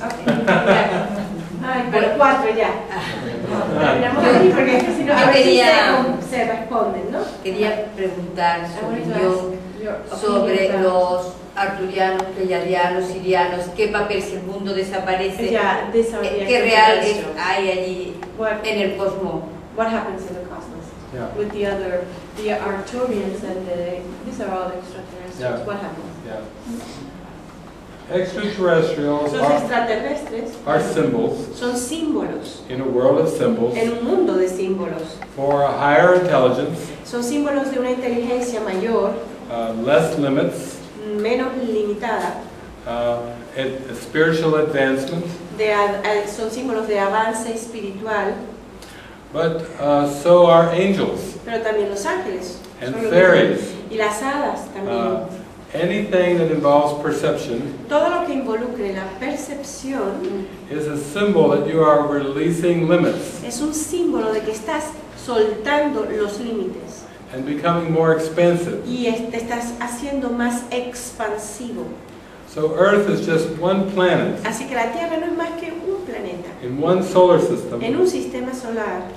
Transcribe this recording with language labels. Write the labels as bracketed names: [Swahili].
[English] Okay. [Spanish] Ay, pero 4 ya. Terminamos aquí porque si no, quería, se responden, ¿no? Quería preguntar sobre yo, sobre los arturianos, pleyadianos, sirianos, qué papel, si el mundo desaparece, qué real hay allí en el cosmos. [English] What happens in the cosmos with the arturians and these are all extraterrestrials, what happens? Extraterrestrials are symbols. [Spanish] Son símbolos. [English] In a world of symbols. [Spanish] En un mundo de símbolos. [English] For a higher intelligence. [Spanish] Son símbolos de una inteligencia mayor. [English] Less limits. [Spanish] Menos limitada. [English] A spiritual advancement. [Spanish] Son símbolos de avance espiritual. [English] But so are angels. [Spanish] Pero también los ángeles. [English] And fairies. [Spanish] Y las hadas también. [English] Anything that involves perception, [Spanish] todo lo que involucre la percepción, [English] is a symbol that you are releasing limits. [Spanish] Es un símbolo de que estás soltando los límites. [English] And becoming more expansive. [Spanish] Y te estás haciendo más expansivo. [English] So Earth is just one planet. [Spanish] Así que la Tierra no es más que un planeta. [English] In one solar system. [Spanish] En un sistema solar.